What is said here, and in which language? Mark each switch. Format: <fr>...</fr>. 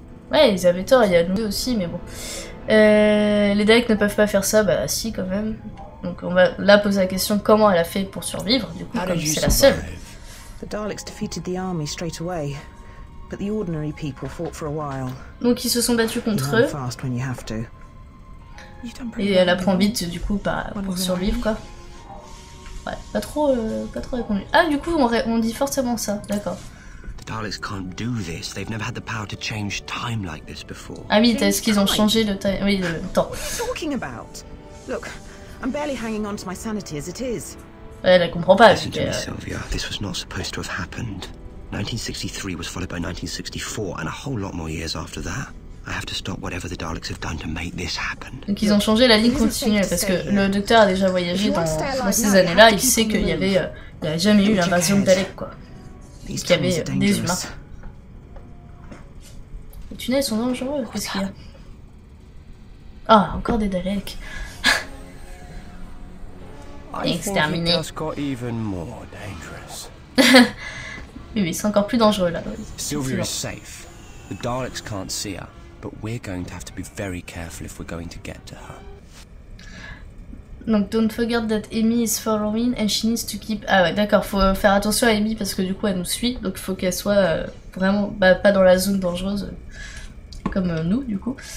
<fr>Ouais, ils avaient tort. Il y a nous aussi, mais bon. Les Daleks ne peuvent pas faire ça. Bah, si, quand même. Donc, on va là poser la question comment elle a fait pour survivre. Du coup, comme c'est la seule.</fr> <en>The Daleks defeated the army straight away. But the ordinary people fought for a while.</en> <fr>Donc, ils se sont battus contre eux.</fr> <en>Fast when you have to.</en> <fr>Et elle apprend vite du coup pour survivre quoi. Ouais, pas trop répondu. Ah du coup on dit forcément ça, d'accord.</fr> <en>The Daleks can't do this. They've never had the power to change time like this before.</en> <fr>Ah oui, est-ce qu'ils ont changé le temps? Oui, le temps.</fr> <en>Talking about. Look, I'm barely hanging on to my sanity as it is.</en> <fr>Elle comprend pas.</fr> <en>Listen to me, Sylvia. This was not supposed to have happened. 1963 was followed by 1964 and a whole lot more years after that. I have to stop whatever the Daleks have done to make this happen.</en> <fr>Donc ils ont changé la ligne continue parce que le docteur a déjà voyagé dans ces années-là, il sait qu'il y avait jamais eu l'invasion de Daleks quoi. Parce qu'il y avait des humains. Les tunnels sont dangereux, qu'est-ce qu'il y a? Ah, encore des Daleks. Exterminé. Oui, mais c'est encore plus dangereux là.</fr> <en>Sylvia is safe. The Daleks can't see her. But we're going to have to be very careful if we're going to get to her. Donc, don't forget that Amy is following and she needs to keep.</en> <fr>Ah ouais, d'accord, faut faire attention à Amy parce que du coup elle nous suit, donc faut qu'elle soit vraiment bah, pas dans la zone dangereuse comme nous du coup.</fr>